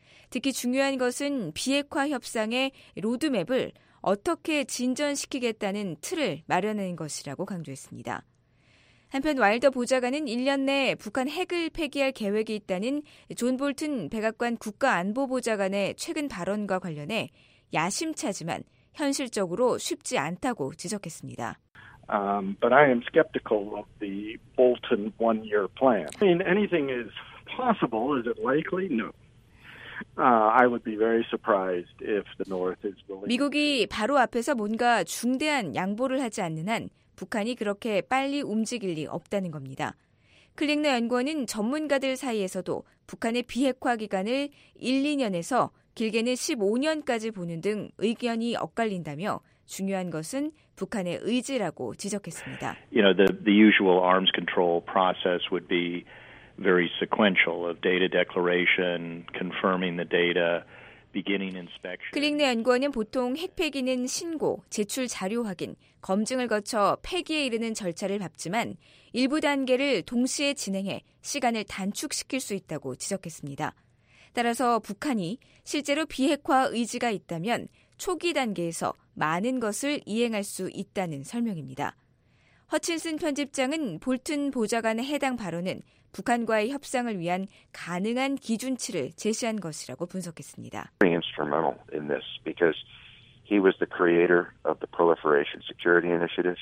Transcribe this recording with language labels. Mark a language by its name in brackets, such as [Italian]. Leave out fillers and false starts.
[Korean] 특히 중요한 것은 비핵화 협상의 로드맵을 어떻게 진전시키겠다는 틀을 마련한 것이라고 강조했습니다. 한편 와일더 보좌관은 1년 내에 북한 핵을 폐기할 계획이 있다는 존 볼튼 백악관 국가안보보좌관의 최근 발언과 관련해 야심차지만 현실적으로 쉽지 않다고 지적했습니다. [English] But I am skeptical of the Bolton one-year plan. I mean, anything is possible. Is it likely? No. I would be very surprised if the North is willing. [Korean] 미국이 바로 앞에서 뭔가 중대한 양보를 하지 않는 한 북한이 그렇게 빨리 움직일 리 없다는 겁니다. 클릭너 연구원은 전문가들 사이에서도 북한의 비핵화 기간을 1, 2년에서 길게는 15년까지 보는 등 의견이 엇갈린다며 중요한 것은 북한의 의지라고 지적했습니다. [English] You know, the usual arms control process would be very sequential of data declaration, confirming the data, beginning inspection. [Korean] 클링네 연구원은 보통 핵 폐기는 신고, 제출 자료 확인, 검증을 거쳐 폐기에 이르는 절차를 밟지만 일부 단계를 동시에 진행해 시간을 단축시킬 수 있다고 지적했습니다. 따라서 북한이 실제로 비핵화 의지가 있다면 초기 단계에서 많은 것을 이행할 수 있다는 설명입니다. 허친슨 편집장은 볼튼 보좌관의 해당 발언은 북한과의 협상을 위한 가능한 기준치를 제시한 것이라고 분석했습니다. [English] Instrumental in this because he was the creator of the Proliferation Security Initiative.